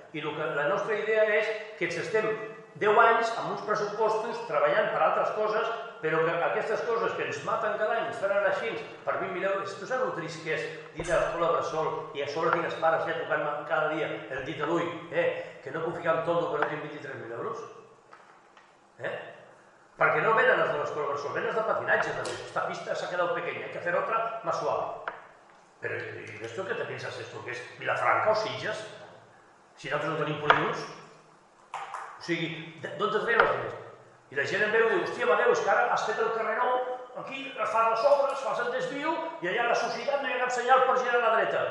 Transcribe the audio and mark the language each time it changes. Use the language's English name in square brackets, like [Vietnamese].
[Catalan] I la nostra idea és que ens estem 10 anys amb uns pressupostos treballant per altres coses, però que aquestes coses que ens maten cada any, ens faran així, per 20.000 euros, tu saps el trist que és dir a l'escola de sol i a sobre tinc els pares ja tocant-me cada dia el dit a l'ull, que no puc ficar en tot el que no tinc 23.000 euros? Perquè no venen els de l'escola de sol, venen els de patinatge també. [Spanish] Esta pista [Catalan] s'ha quedat [Spanish] pequeña, hay que hacer otra más suave. [Catalan] Però i d'això què te penses, esto que és Vilafranca o Sitges? Si nosaltres no tenim polígons? O sigui, d'on te treuen els diners? I la gent em veu i diu, hòstia, Mateu, és que ara has fet el carreró, aquí fas les obres, fas el desviu, i allà a la societat no hi ha cap senyal per girar a la dreta.